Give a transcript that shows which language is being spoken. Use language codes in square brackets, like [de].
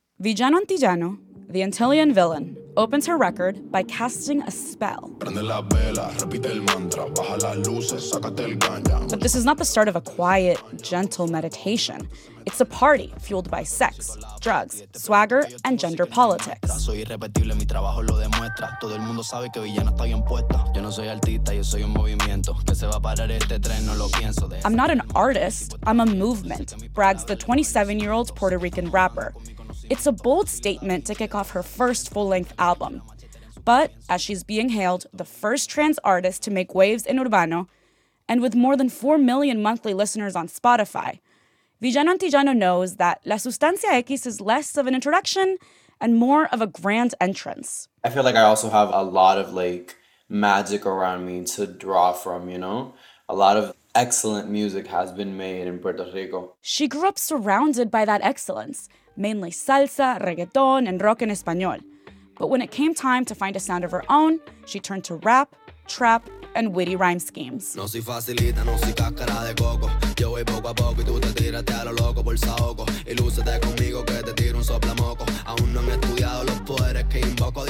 [en] Viano Antillano, the Antillean villain, opens her record by casting a spell. [es] Prende la vela, repite el mantra, baja las luces, sácate el ganja. [en] But this is not the start of a quiet, gentle meditation. It's a party fueled by sex, drugs, swagger, and gender politics. [es] Soy irrepetible, mi trabajo lo demuestra. Todo el mundo sabe que Villana está bien puesta. Yo no soy artista, yo soy un movimiento. Que se va a parar este tren, no lo pienso. [en] I'm not an artist, I'm a movement, brags the 27-year-old Puerto Rican rapper. It's a bold statement to kick off her first full-length album. But as she's being hailed the first trans artist to make waves in Urbano, and with more than 4 million monthly listeners on Spotify, Viano Antillano knows that La Sustancia X is less of an introduction and more of a grand entrance. I feel like I also have a lot of like magic around me to draw from, you know? A lot of excellent music has been made in Puerto Rico. She grew up surrounded by that excellence, mainly salsa, reggaeton, and rock en español. But when it came time to find a sound of her own, she turned to rap, trap, and witty rhyme schemes. [es] No soy facilita, no soy cáscara de coco. Yo voy poco a poco y tú te tírate a lo loco por saoco. Ilúcete conmigo que te tiro un soplamoco. Aún no han estudiado los poderes que invoco.